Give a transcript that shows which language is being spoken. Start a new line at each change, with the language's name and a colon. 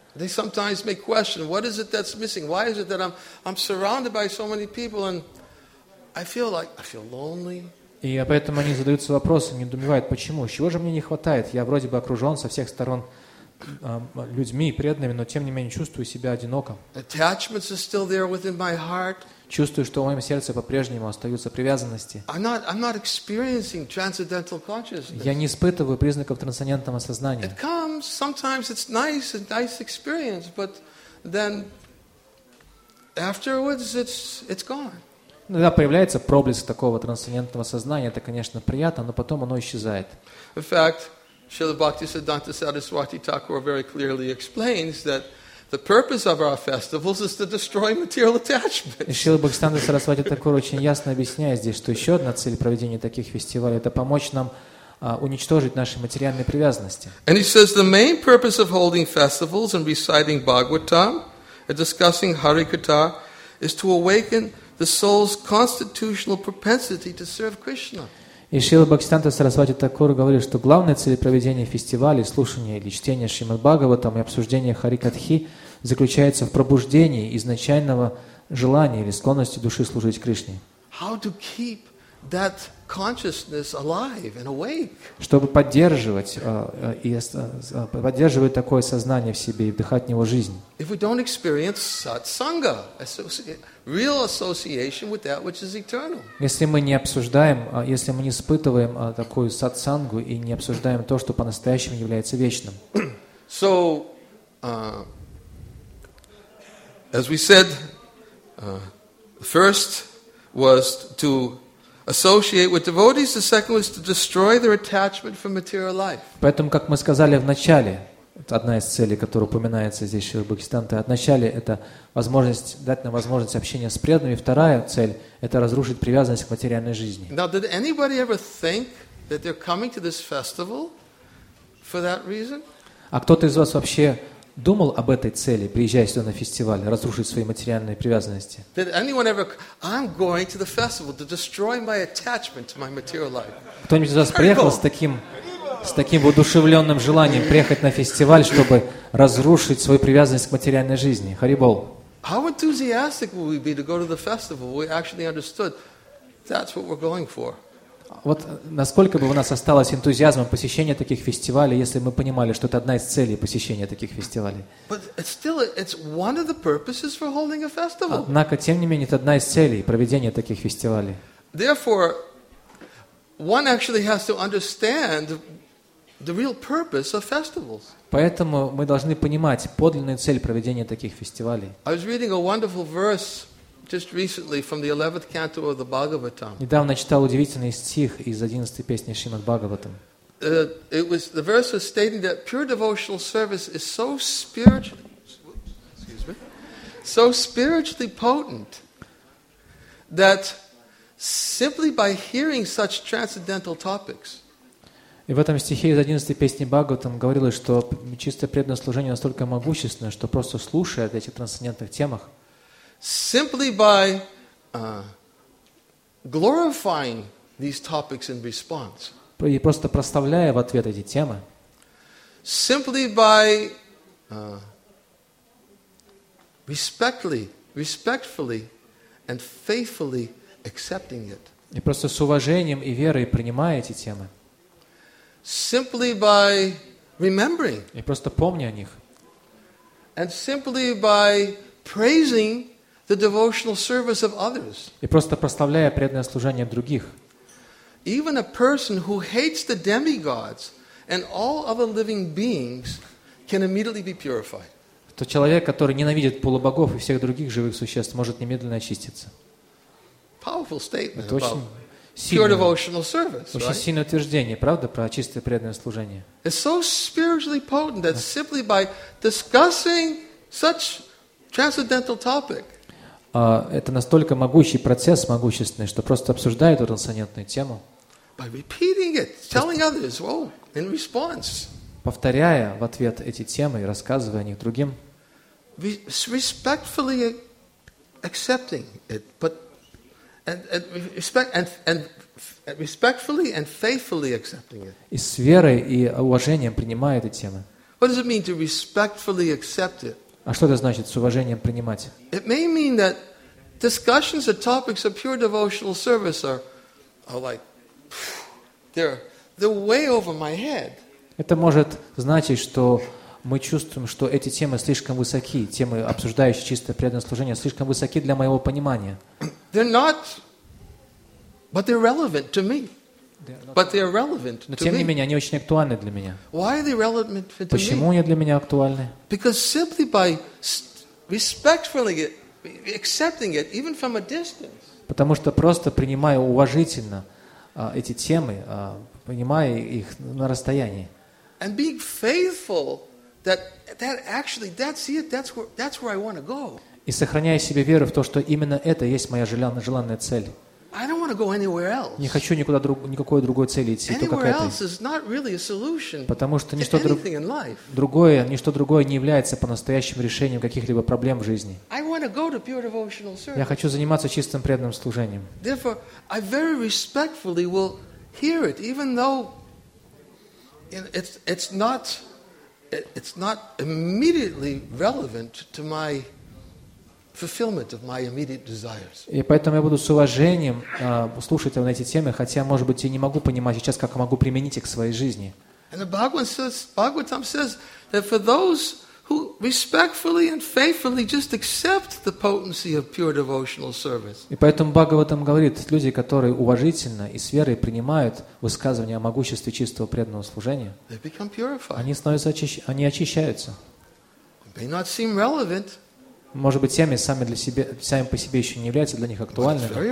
English: They sometimes may question, what is it that's missing? Why is it that I'm surrounded by so many people and I feel lonely?
Russian: И поэтому они задаются вопросом, недоумевают, почему, чего же мне не хватает? Я вроде бы окружен со всех сторон людьми, преданными, но тем не менее чувствую себя одиноко.
English: Attachments are still there within my heart.
Russian: Чувствую, что в моем сердце по-прежнему остаются привязанности.
English: I'm not experiencing transcendental consciousness.
Russian: Я не испытываю признаков трансцендентного сознания.
English: It comes, sometimes it's nice, a nice experience, but then afterwards it's gone.
Russian: Иногда появляется проблеск такого трансцендентного сознания, это, конечно, приятно, но потом оно исчезает.
English: In fact, Srila Bhaktisiddhanta Saraswati Thakur very clearly explains that the purpose of our festivals is to destroy material attachments.
Russian: Srila Bhaktisiddhanta Saraswati Thakur очень ясно объясняет здесь, что еще одна цель проведения таких фестивалей – это помочь нам уничтожить наши материальные привязанности.
English: And he says the main purpose of holding festivals and reciting Bhagavatam and discussing Harikatha is to awaken the soul's constitutional propensity to serve Krishna.
Russian: И Шрила Бхактисиддханта Сарасвати Такур говорит, что главная цель проведения фестивалей, слушания или чтения Шримад Бхагаватам и обсуждения Харикатхи заключается в пробуждении изначального желания или склонности души служить Кришне.
English: How to keep that consciousness alive and awake?
Russian: Чтобы поддерживать такое сознание в себе и вдыхать в него жизнь.
English: If we don't experience satsanga, real association with that which is eternal.
Russian: Если мы не обсуждаем, если мы не испытываем такую сатсангу и не обсуждаем то, что по-настоящему является вечным.
English: So, as we said, first was to associate with devotees, the second was to destroy their attachment from material life.
Russian: Поэтому, как мы сказали в начале, одна из целей, которая упоминается здесь Шрила Бхактисиддханта, отначале это возможность дать нам возможность общения с преданными. Вторая цель – это разрушить привязанность к материальной жизни.
English: Now, did anybody ever think that they're coming to this festival for that reason?
Russian: А кто-то из вас вообще думал об этой цели, приезжая сюда на фестиваль, разрушить свои материальные привязанности?
English: Did anyone ever? I'm going to the festival to destroy my attachment to my material life.
Russian: Кто-нибудь из вас приехал с таким воодушевленным желанием приехать на фестиваль, чтобы разрушить свою привязанность к материальной жизни? Харибол.
English: How enthusiastic would we be to go to the festival if we actually understood that's what we're going for?
Russian: Вот насколько бы у нас осталось энтузиазмом посещения таких фестивалей, если бы мы понимали, что это одна из целей посещения таких фестивалей.
English: But still, it's one of the purposes for holding a festival.
Russian: Однако, тем не менее, это одна из целей проведения таких фестивалей.
English: Therefore, one actually has to understand the real purpose of festivals.
Russian: Поэтому мы должны понимать подлинную цель проведения таких фестивалей.
English: I was reading a wonderful verse just recently from the 11th canto of the Bhagavatam.
Russian: Недавно читал удивительный стих из 11-й песни Шримад Бхагаватам.
English: The verse was stating that pure devotional service is so spiritually potent that simply by hearing such transcendental topics.
Russian: И в этом стихе из 11-й песни Бхагаватам говорилось, что чистое преданное служение настолько могущественное, что просто слушая об этих трансцендентных темах,
English: simply by glorifying these topics in response.
Russian: И просто прославляя в ответ эти темы.
English: Simply by respectfully and faithfully accepting it.
Russian: И просто с уважением и верой принимая эти темы.
English: Simply by remembering.
Russian: И просто помня о них.
English: And simply by praising the devotional service of others.
Russian: И просто прославляя преданное служение других.
English: Even a person who hates the demigods and all other living beings can immediately be purified.
Russian: То человек, который ненавидит полубогов и всех других живых существ, может немедленно очиститься.
English: Powerful statement.
Russian: Это очень сильное,
English: pure devotional service,
Russian: очень
English: right?
Russian: сильное утверждение, правда, про чистое преданное служение.
English: It's so spiritually potent that simply by discussing such transcendental topic.
Russian: Это настолько могучий процесс, могущественный, что просто обсуждая эту трансцендентную тему.
English: By repeating it, telling others, oh, in response.
Russian: Повторяя в ответ эти темы и рассказывая о них другим.
English: Respectfully accepting it, but and respectfully and faithfully accepting it.
Russian: И с верой и уважением принимая эти темы.
English: What does it mean to respectfully accept it?
Russian: А что это значит с уважением принимать?
English: It may mean that discussions of topics of pure devotional service are like they're way over my head.
Russian: Это может значить, что мы чувствуем, что эти темы слишком высоки, темы, обсуждающие чистое преданное служение, слишком высоки для моего понимания.
English: They're not, but they're relevant to me. But they're relevant
Russian: Но тем не менее, они очень актуальны для меня.
English: Why are they relevant to
Russian: Почему
English: me?
Russian: Они для меня актуальны?
English: Because simply by respectfully accepting it, even from a distance.
Russian: Потому что просто принимая уважительно эти темы, понимая их на расстоянии.
English: And being faithful, that actually, that's it, that's where I want to go.
Russian: И сохраняя себе веру в то, что именно это есть моя желанная цель.
English: I don't want to go anywhere else.
Russian: Не хочу никуда никакой другой цели идти, только к этой. Потому что ничто другое не является по-настоящему решением каких-либо проблем в жизни.
English: I want to go to pure devotional service.
Russian: Я хочу заниматься чистым преданным служением.
English: Therefore, I very respectfully will hear it, even though it's not immediately relevant to my fulfillment of my immediate desires.
Russian: И поэтому я буду с уважением слушать на эти темы, хотя, может быть, я не могу понимать сейчас, как могу применить их к своей жизни.
English: And the Bhagavatam says that for those who respectfully and faithfully just accept the potency of pure devotional service.
Russian: И поэтому Бхагаватам говорит, люди, которые уважительно и с верой принимают высказывания о могуществе чистого преданного служения,
English: they become purified.
Russian: Они очищаются.
English: It may not seem relevant.
Russian: Может быть, темы сами по себе еще не являются для них актуальными.